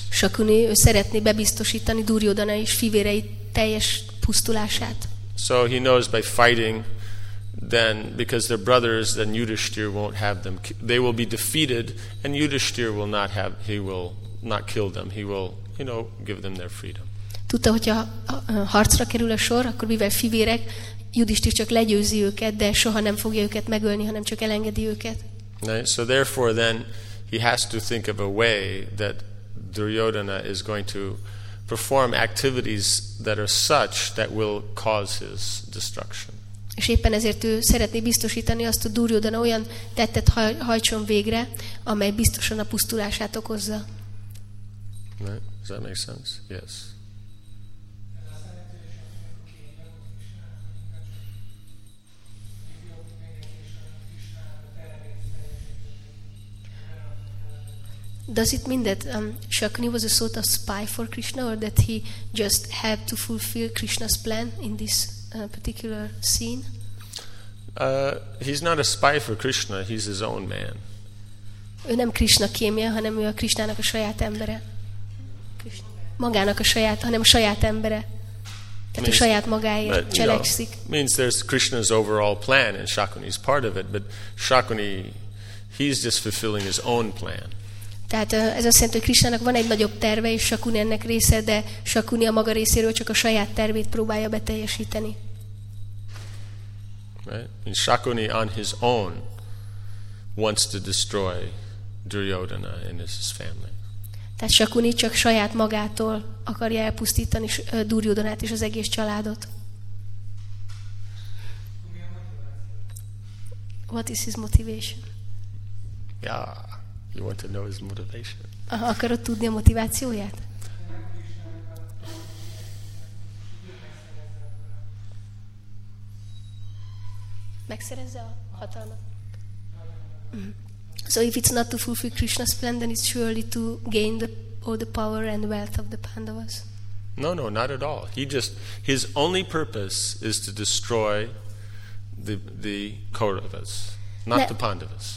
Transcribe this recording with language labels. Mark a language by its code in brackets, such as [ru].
[hu] Shakuni ő szeretné bebiztosítani Duryodhana és fivérei teljes pusztulását. [en] So he knows by fighting, then because they're brothers, then Yudhishthir won't have them. They will be defeated, and Yudhishthir will not have. He will not kill them. He will, you know, give them their freedom. [hu] Tudta, hogy ha harcra kerül a sor, akkor mivel fivérek, Yudhishthir csak legyőzi őket, de soha nem fogja őket megölni, hanem csak elengedi őket. [en] Right. So therefore then he has to think of a way that Duryodhana is going to perform activities that are such that will cause his destruction. [hu] És éppen ezért ő szeretné biztosítani azt, hogy Duryodhana olyan tettet hajtson végre, amely biztosan a pusztulását okozza. [en] Right. Does that make sense? Yes. Does it mean that Shakuni was a sort of spy for Krishna, or that he just helped to fulfill Krishna's plan in this particular scene? He's not a spy for Krishna, he's his own man. [hu] Ő nem Krishna kémje, hanem ő a Krishnának a saját embere. Magának a saját, hanem a saját embere. Tehát [en] means, [hu] a saját magáért cselekszik. [en] You know, means there's Krishna's overall plan and Shakuni's part of it, but Shakuni, he's just fulfilling his own plan. [hu] Tehát ez azt jelenti, hogy Krisnának van egy nagyobb terve, és Shakuni ennek része, de Shakuni a maga részéről csak a saját tervét próbálja beteljesíteni. [en] Right? And Shakuni on his own wants to destroy Duryodhana and his family. [hu] Tehát Shakuni csak saját magától akarja elpusztítani Duryodhanát és az egész családot. [en] What is his motivation? Yeah, you want to know his motivation. [hu] Akarod tudni a motivációját? Megszerezze a hatalmat. [en] So if it's not to fulfill Krishna's plan, then it's surely to gain all the power and wealth of the Pandavas. No, not at all. His only purpose is to destroy the Kauravas, the Pandavas.